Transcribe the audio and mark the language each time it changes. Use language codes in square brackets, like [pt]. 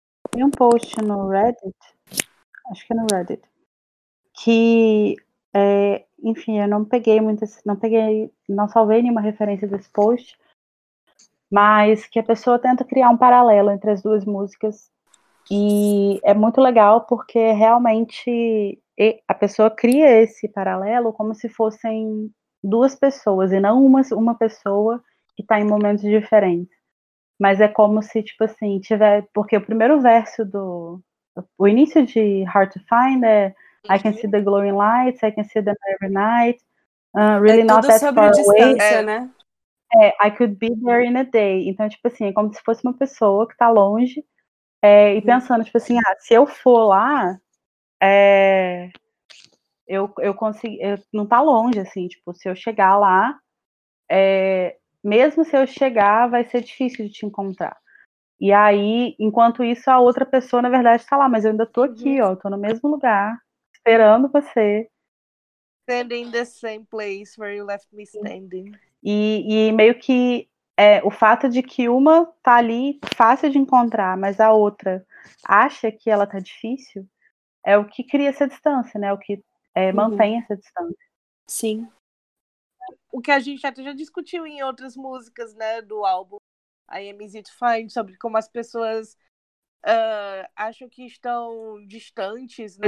[pt] Tem um post no Reddit, acho que é no Reddit, que, é, enfim, eu não peguei muito, não salvei nenhuma referência desse post, mas que a pessoa tenta criar um paralelo entre as duas músicas, e é muito legal porque realmente a pessoa cria esse paralelo como se fossem duas pessoas, e não uma pessoa que está em momentos diferentes. Mas é como se, tipo assim, tiver... Porque o primeiro verso do... O início de Hard to Find é... [en] I can see the glowing lights, I can see them every night. Really é not that far away. [pt] É tudo sobre a distância, né? [en] É, I could be there in a day. [pt] Então, tipo assim, é como se fosse uma pessoa que tá longe. É, e pensando, tipo assim, ah, se eu for lá... É, eu consigo... Eu, não tá longe, assim, tipo, se eu chegar lá... É, mesmo se eu chegar, vai ser difícil de te encontrar. E aí, enquanto isso, a outra pessoa, na verdade, tá lá. Mas eu ainda tô aqui, ó. Tô no mesmo lugar, esperando você. [en] Standing in the same place where you left me standing. [pt] E meio que é, o fato de que uma tá ali fácil de encontrar, mas a outra acha que ela tá difícil, é o que cria essa distância, né? O que é, mantém essa distância. Sim. O que a gente até já discutiu em outras músicas, né, do álbum I Am Easy to Find, sobre como as pessoas acham que estão distantes, né?